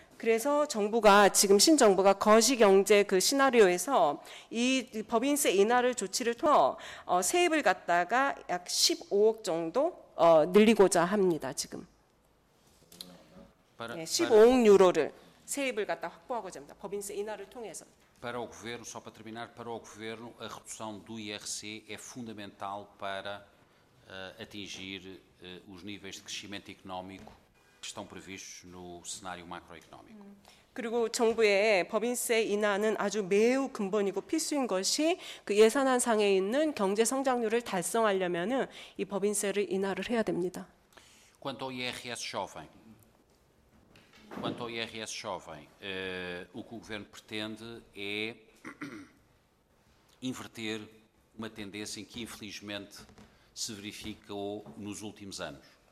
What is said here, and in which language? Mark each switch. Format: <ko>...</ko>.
<ko>그래서 정부가 지금 신정부가 거시경제 그 시나리오에서 이 법인세 인하를 조치를 통해 세입을 갖다가 약 15억 정도 늘리고자 합니다. 지금 네, 15억 유로를 세입을 갖다 확보하고자 합니다. 법인세 인하를 통해서.</ko> <pt>Para o governo, só para terminar, para o governo, a redução do IRC é fundamental para atingir os níveis de crescimento económico. Estão previstos no cenário macroeconómico.</pt> <ko>그리고 정부의 법인세 인하는 아주 매우 근본이고 필수인 것이 그 예산안 상에 있는 경제 성장률을 달성하려면은 이 법인세를 인하를 해야 됩니다.</ko> <pt>Quanto ao IRS jovem, o que o governo pretende é inverter uma tendência em que infelizmente se verificou nos últimos anos.</pt>